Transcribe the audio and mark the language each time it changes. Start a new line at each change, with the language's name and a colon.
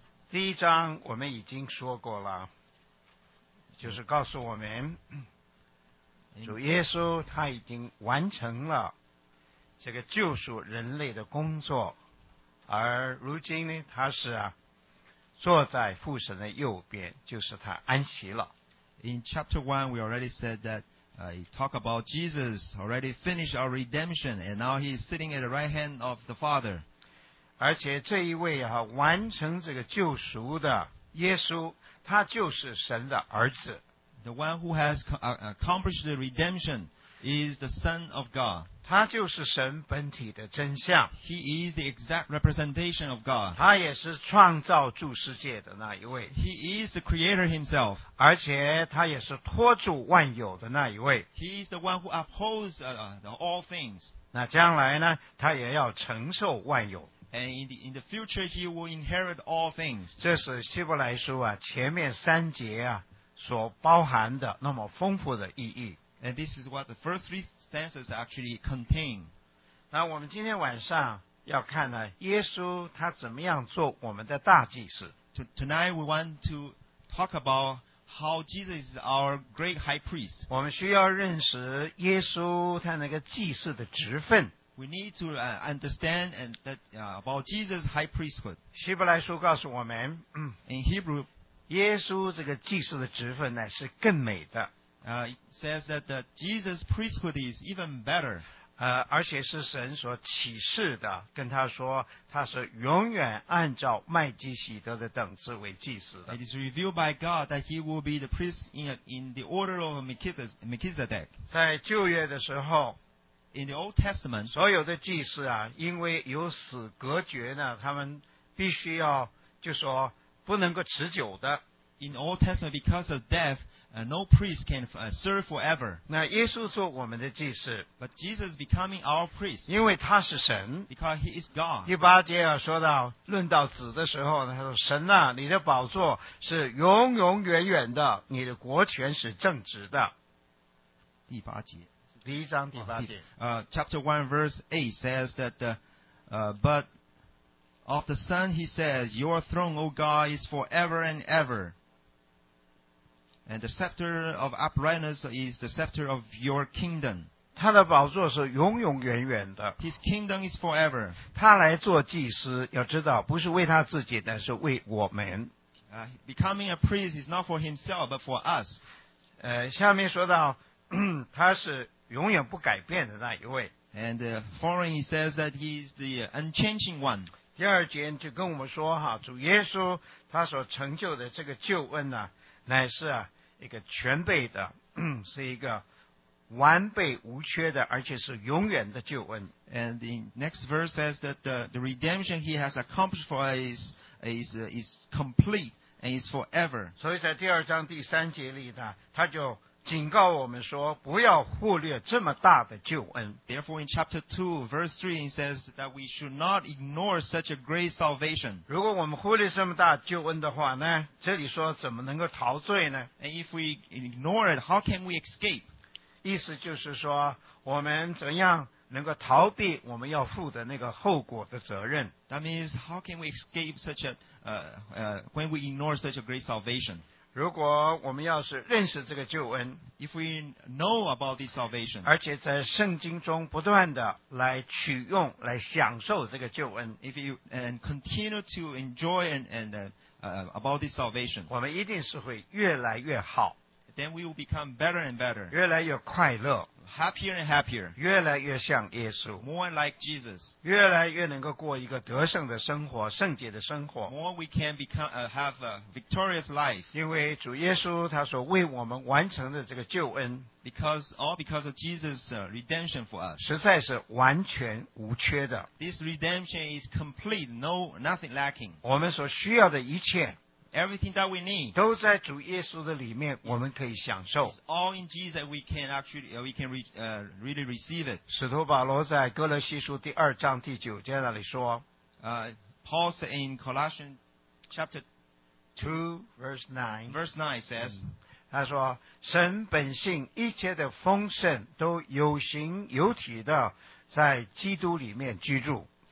Chinese: 第一章我们已经说过了，就是告诉我们主耶稣他已经完成了这个救赎人类的工作，而如今呢，他是坐在父神的右边，就是他安息了。
English: In chapter 1 we already said that he talked about Jesus already finished our redemption and now he is sitting at the right hand of the Father。
Chinese: 而且这一位啊，完成这个救赎的耶稣，他就是神的儿子。
English: The one who has accomplished the redemption is the Son of God。
Chinese: 他就是神本体的真相。
English: He is the exact representation of God。
Chinese: 他也是创造诸世界的那一位。
English: He is the Creator himself。
Chinese: 而且他也是托住万有的那一位。
English: He is the one who upholds all things。
Chinese: 那将来呢，他也要承受万有。
English: And in the future, he will inherit all things.
Chinese: 这是希伯来书啊，前面三节啊所包含的那么丰富的意义。
English: And this is what the first three stanzas actually contain.
Chinese: 那我们今天晚上要看呢，耶稣他怎么样做我们的大祭司。
English: Tonight we want to talk about how Jesus is our great high priest.
Chinese: 我们需要认识耶稣他那个祭司的职分。
English: We need to understand and that about Jesus' high priesthood.
Chinese: 希伯来书告诉我们
English: ，In Hebrew,
Chinese: 耶稣这个祭司的职分乃是更美的。
English: It says that the Jesus' priesthood is even better.
Chinese: 而且是神所启示的，跟他说他是永远按照麦基洗德的等次为祭司的。
English: It is revealed by God that he will be the priest in the order of Melchizedek.
Chinese: 在旧约的时候。
English: In the Old Testament,
Chinese: 所有的祭司啊，因为有死隔绝呢，他们必须要就说不能够持久的。
English: In the Old Testament, because of death, no priest can serve forever.
Chinese: 那耶稣做我们的祭司
English: ，But Jesus becoming our priest,
Chinese: 因为他是神
English: ，because he is God.
Chinese: 第八节啊，说到论到子的时候呢，他说：“神呐、啊，你的宝座是永永远远的，你的国权是正直的。” 第八节。第一章第八节
English: Chapter 1 verse 8 says that But of the Son he says Your throne, O God, is forever and ever And the scepter of uprightness is the scepter of your kingdom
Chinese: 他的宝座是永永远远的
English: His kingdom is forever
Chinese: 他来做祭司要知道不是为他自己但是为我们
English: Becoming a priest is not for himself but for us
Chinese: 下面说到他是永远不改变的那一位。
English: And foreign, he says that he is the unchanging one.
Chinese: 第二节就跟我们说哈，主耶稣他所成就的这个救恩呢，乃是一个全备的，是一个完备无缺的，而且是永远的救恩。
English: And the next verse says that the redemption he has accomplished for us is complete and is forever.
Chinese: 所以在第二章第三节里呢，他就警告我们说不要忽略这么大的救恩。
English: Therefore in chapter 2 verse 3 it says that we should not ignore such a great salvation.
Chinese: 如果我们忽略这么大救恩的话呢这里说怎么能够逃罪呢
English: And if we ignore it, how can we escape?
Chinese: 意思就是说我们怎样能够逃避我们要负的那个后果的责任。
English: That means how can we escape such a, when we ignore such a great salvation?
Chinese: 如果我们要是认识这个救恩
English: If we know about this salvation,
Chinese: 而且在圣经中不断地来取用来享受这个救恩
English: If you, and continue to enjoy about this salvation,
Chinese: 我们一定是会越来越好
English: Then we will become better and better
Chinese: 越来越快乐
English: Happier and happier
Chinese: 越来越像耶稣
English: More like Jesus
Chinese: 越来越能够过一个得胜的生活圣洁的生活
English: More we can become, have a victorious life
Chinese: 因为主耶稣他所为我们完成的这个救恩
English: Because of Jesus' redemption for us
Chinese: 实在是完全无缺的
English: This redemption is complete, nothing lacking
Chinese: 我们所需要的一切
English: Everything that we need
Chinese: 都在主耶稣的里面我们可以享受
English: It's all in Jesus that we can really receive it
Chinese: 使徒保罗在哥罗西书第二章第九节那里说
English: Paul said in Colossians chapter 2 verse 9 says
Chinese: 他说神本性一切的丰盛都有形有体的在基督里面居住